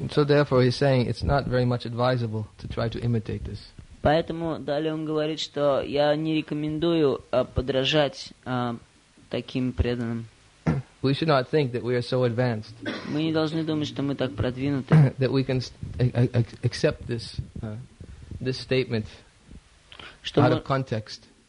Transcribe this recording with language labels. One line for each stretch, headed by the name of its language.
English: So therefore he's saying it's not very much advisable to try to imitate this.
Russian: Поэтому далее он говорит, что я не рекомендую подражать таким преданным.
English: We should not think that we are so advanced.
Russian: Мы не должны думать, что мы так продвинуты.
English: That we can accept this this statement out of context.